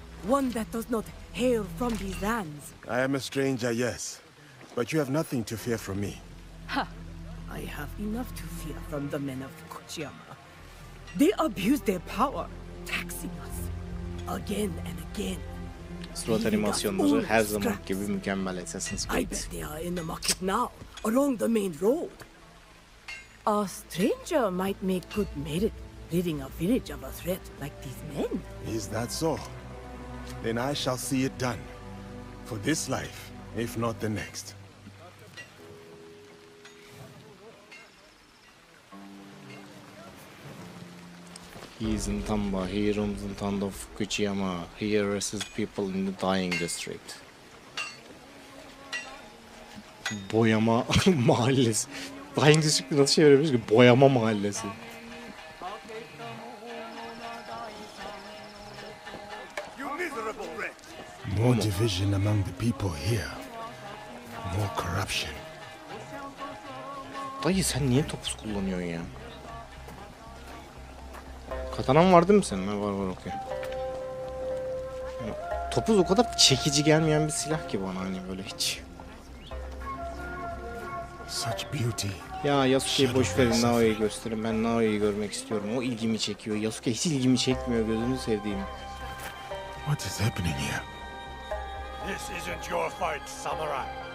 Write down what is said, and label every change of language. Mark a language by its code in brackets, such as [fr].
[en] One that does not hail from these lands. I am a stranger, yes. But you have nothing to fear from me. Ha. I have enough to fear from the men of Kuchiyama. They abuse their power, taxing us again and again. [tr] Slot animasyonları her zaman gibi mükemmel. Assassin's Creed. [en] I bet they are in the market now, along the main road. A stranger might make good merit, ridding a village of a threat like these men. Is that so? Then I shall see it done. For this life, if not the next. He is in Tamba, he roams in town of Kuchiyama. He arrests people in the dying district. [tr] Boyama Mahallesi. [en] Dying district'te [tr] nasıl şey verebiliriz ki? Boyama Mahallesi. [en] You miserable wretch. More division among the people here. More corruption. [tr] Dayı sen niye topuz kullanıyorsun ya? Katanan vardı mı senin? Var okey. Topuz o kadar çekici gelmeyen bir silah ki bana hani böyle hiç. [en] Such beauty. [tr] Ya Yasuke'yi boş verin, Naoya'yı gösterin. Ben Naoya'yı görmek istiyorum. O ilgimi çekiyor. Yasuke hiç ilgimi çekmiyor, gözünü sevdiğim. [en] What is happening here? This isn't your fight, samurai.